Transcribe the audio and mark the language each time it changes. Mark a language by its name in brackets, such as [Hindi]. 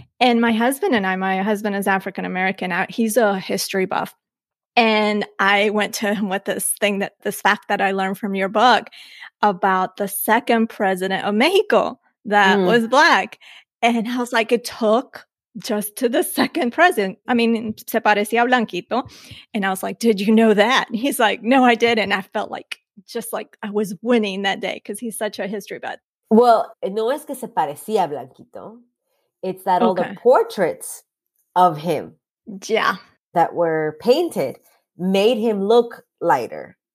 [English] And my husband is African-American. He's a history buff. And I went to him with this fact that I learned from your book about the second president of Mexico that was Black. And I was like, it took just to the second president. I mean, [Spanish] se parecía blanquito. [English] And I was like, did you know that? And he's like, no, I didn't. And I felt like just like I was winning that day because he's such a history buff. Well, [Spanish] no es que se parecía blanquito. [English] It's that all the portraits of him Yeah. That were painted made him look lighter.